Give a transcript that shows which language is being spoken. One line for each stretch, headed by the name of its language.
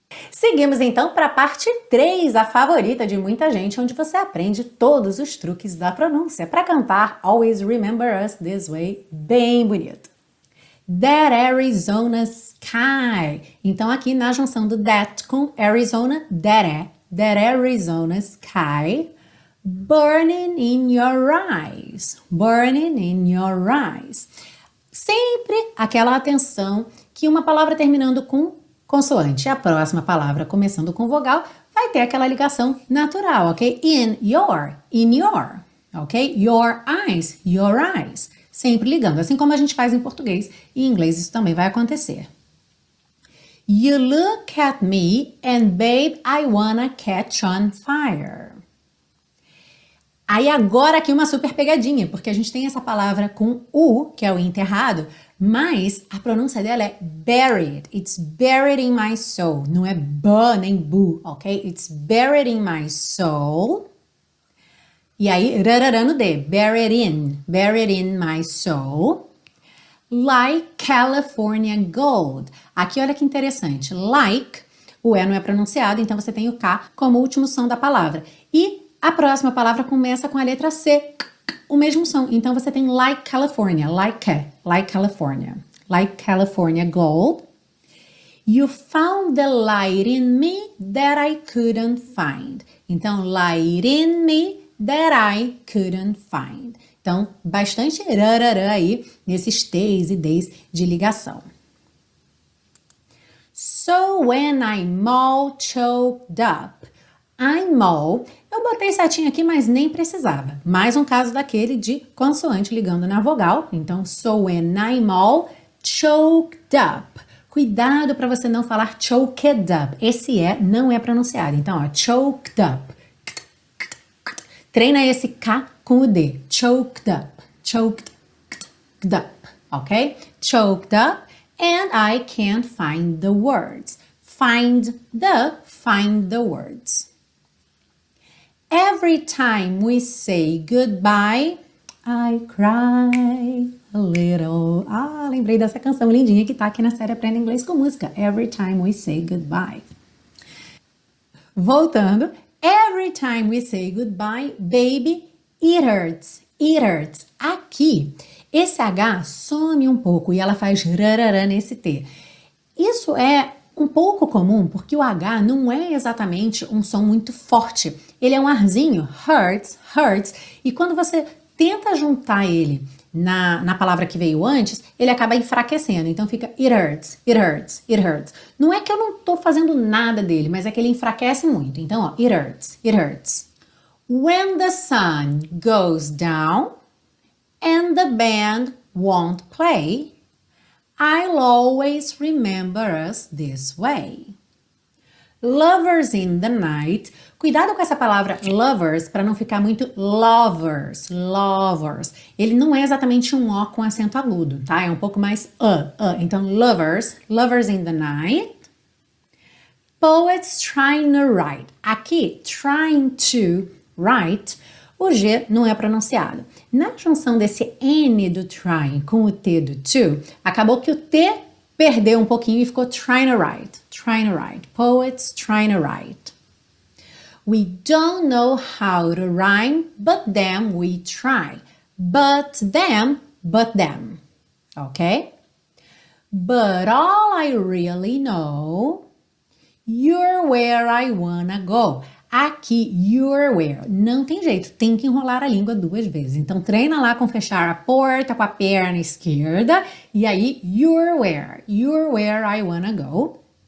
Portuguese: Seguimos então para a parte 3, a favorita de muita gente, onde você aprende todos os truques da pronúncia para cantar Always Remember Us This Way, bem bonito.
English: That Arizona Sky.
Portuguese: Então aqui na junção do that com Arizona, that é.
English: That Arizona Sky, burning in your eyes. Burning in your eyes.
Portuguese: Sempre aquela atenção que uma palavra terminando com consoante, a próxima palavra começando com vogal, vai ter aquela ligação natural, ok? In your, ok? Your eyes, sempre ligando, assim como a gente faz em português e em inglês isso também vai acontecer.
English: You look at me and babe, I wanna catch on fire.
Portuguese: Aí agora aqui uma super pegadinha, porque a gente tem essa palavra com U, que é o enterrado, mas a pronúncia dela é buried,
English: it's buried in my soul,
Portuguese: não é bu nem bu, ok?
English: It's buried in my soul,
Portuguese: e aí rarara no D,
English: buried in my soul, like California gold.
Portuguese: Aqui olha que interessante, like, o E não é pronunciado, então você tem o K como último som da palavra, e a próxima palavra começa com a letra C, o mesmo som. Então você tem
English: like California, like California, like California gold. You found the light in me that I couldn't find. Então light in me that I couldn't find.
Portuguese: Então bastante rarara aí nesses T's e D's de ligação.
English: So when I'm all choked up.
Portuguese: I'm all, eu botei certinho aqui, mas nem precisava. Mais um caso daquele de consoante ligando na vogal.
English: Então, so when I'm all choked up.
Portuguese: Cuidado para você não falar choked up. Esse E não é pronunciado. Então, ó, choked up. Treina esse K com o D. Choked up.
English: Choked up. Ok? Choked up. And I can't find the words. Find the words. Every time we say goodbye, I cry a little.
Portuguese: Ah, lembrei dessa canção lindinha que tá aqui na série Aprenda Inglês com Música.
English: Every time we say goodbye. Voltando. Every time we say goodbye, baby, it hurts. It hurts.
Portuguese: Aqui, esse H some um pouco e ela faz rarara nesse T. Isso é um pouco comum porque o H não é exatamente um som muito forte. Ele é um arzinho, hurts, hurts. E quando você tenta juntar ele na palavra que veio antes, ele acaba enfraquecendo. Então fica
English: it hurts, it hurts, it hurts.
Portuguese: Não é que eu não estou fazendo nada dele, mas é que ele enfraquece muito. Então, ó,
English: it hurts, it hurts. When the sun goes down and the band won't play, I'll always remember us this way. Lovers in the night.
Portuguese: Cuidado com essa palavra lovers para não ficar muito lovers, lovers. Ele não é exatamente um O com acento agudo, tá? É um pouco mais Então, lovers,
English: lovers in the night. Poets trying to write. Aqui, trying to write,
Portuguese: o G não é pronunciado. Na junção desse N do trying com o T do to, acabou que o T perdeu um pouquinho e ficou trying to write.
English: Trying to write. Poets trying to write. We don't know how to rhyme, but damn, we try. But them. Ok? But all I really know, you're where I wanna go. Aqui, you're where.
Portuguese: Não tem jeito, tem que enrolar a língua duas vezes. Então, treina lá com fechar a porta com a perna esquerda.
English: E aí, you're where I wanna go.